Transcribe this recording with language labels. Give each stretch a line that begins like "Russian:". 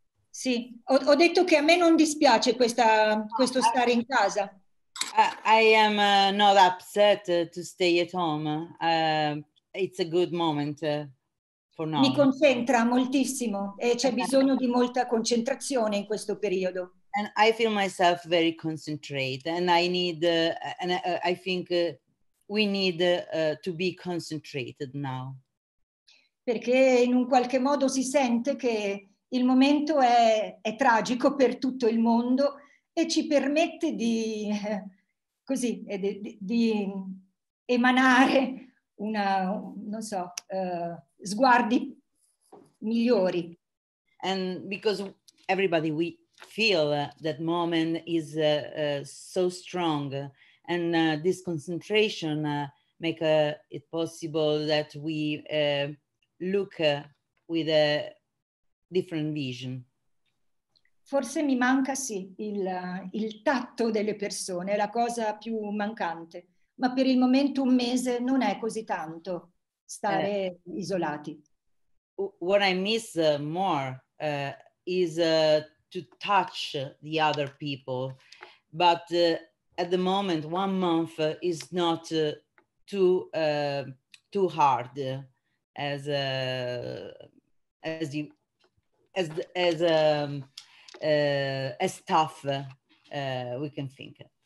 Italian: Sì, ho detto che a me non dispiace questo stare in casa.
English: I am not upset to stay at home. It's a good moment for now.
Italian: Mi concentra moltissimo e c'è bisogno di molta concentrazione in questo periodo.
English: And I feel myself very concentrated, and I need, and I think we need to be concentrated now.
Italian: Perché in un qualche modo si sente che il momento è tragico per tutto il mondo e ci permette di così di emanare una non so sguardi migliori.
English: And because everybody we feel that moment is so strong, and this concentration make it possible that we look with a different vision.
Italian: Forse mi manca sì il tatto delle persone, la cosa più mancante, ma per il momento un mese non è così tanto stare isolati.
English: What I miss more is to touch the other people, but at the moment 1 month is not too hard as tough we can think.